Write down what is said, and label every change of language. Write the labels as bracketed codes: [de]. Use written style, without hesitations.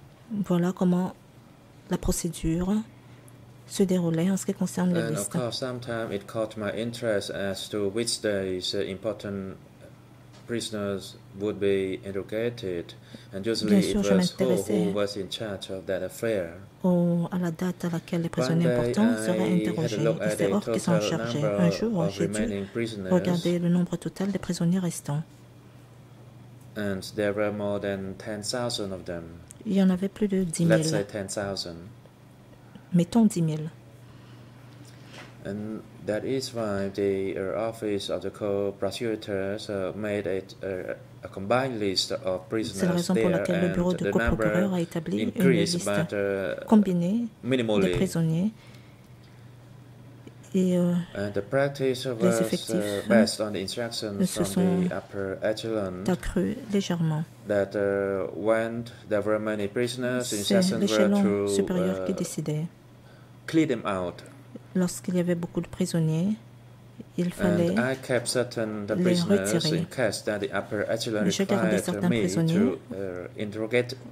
[fr] Voilà comment la procédure se déroulait en ce qui concerne la liste. [en] Of course, sometimes it caught my interest as to which days important prisoners would be interrogated, and usually [fr] bien sûr, [en] it was who was in charge of that affair. [fr] À la date à laquelle les prisonniers importants seraient interrogés, et c'est Hor qui s'en chargeait. Un jour, j'ai dû regarder le nombre total des prisonniers restants. [en] And there were more than 10,000 of them. [fr] Il y en avait plus de 10 000. [en] Let's say 10,000. [fr] Mettons 10 000. [en] And that is why the office of the co-prosecutors made it a combined list of prisoners. [fr] C'est la raison pour laquelle le bureau de co-procureur a établi une liste combinée des prisonniers. Et [en] and the practice was based on the instructions from the upper echelon that when there were many prisoners, instructions were to [fr] supérieur qui décidait. [en] Clear them out. [fr] Lorsqu'il y avait beaucoup de prisonniers, il fallait [en] and I kept certain the prisoners in case that the upper echelon required me to interrogate